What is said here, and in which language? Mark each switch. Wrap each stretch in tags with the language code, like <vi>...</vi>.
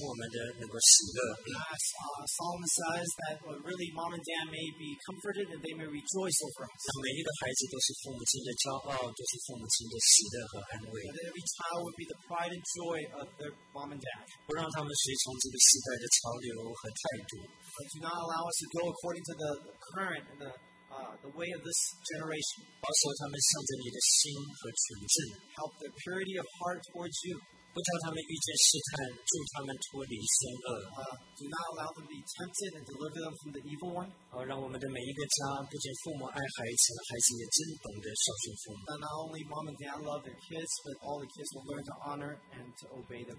<zh>就像所罗门所劝我们的，要叫父亲得安慰，叫母亲我们的能够喜乐。</zh> <en>As Solomon says that really mom and dad may be comforted and they may rejoice over us.</en> <zh>让每一个孩子都是父母亲的骄傲，都是父母亲的喜乐和安慰。</zh> <en>That every child would be the pride and joy of their mom and dad.</en> <zh>不让他们随从这个时代的潮流和态度。</zh> <en>But do not allow us to go according to the current and the way of this generation. Help the purity of heart towards you.</en> <zh>不叫他们遇见试探，助他们脱离凶恶。</zh> <en>Do not allow them to be tempted and deliver them from the evil one.</en> <zh>让我们的每一个家，不仅父母爱孩子，孩子也真懂得孝顺父母。</zh> <en>Not only mom and dad love their kids, but all the kids will learn to honor and to obey them.</en>